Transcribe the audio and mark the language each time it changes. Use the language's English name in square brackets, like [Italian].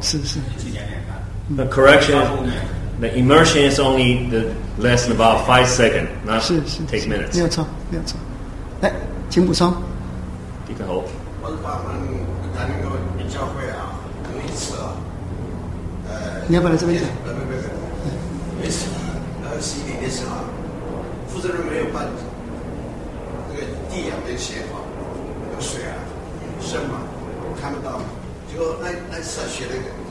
[Chinese] 是是。你去点看。 [English] The correction. The immersion is only the less than about 5 seconds, not take minutes. [Chinese] 没有错，没有错。来，请补充。一个后。我把我们那个教会啊，有一次啊，你要不要来这边讲？没有。有一次洗礼的时候，负责人没有办，那个地啊没写好，那个水啊深嘛，看不到，结果那次啊学那个